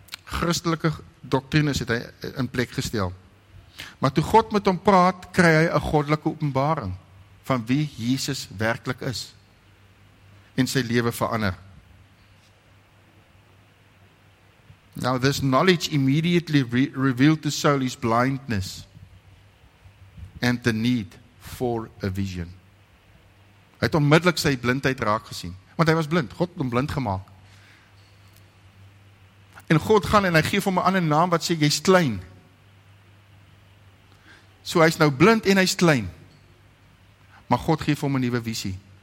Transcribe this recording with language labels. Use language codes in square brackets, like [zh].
[af] Christelike doktrines het hy in plek gestel. Maar toe God met hom praat, kry hy 'n goddelike openbaring van wie Jesus werklik is en sy lewe verander. [en] Now this knowledge immediately revealed to Saul his blindness and the need for a vision. [af] Hy het onmiddellik sy blindheid raak gesien, want hy was blind. God het hom blind gemaak. En God gaan en hy gee hom 'n ander naam wat sê jy's klein. So hy's nou blind en hy's klein. Maar God gee hom 'n nuwe visie.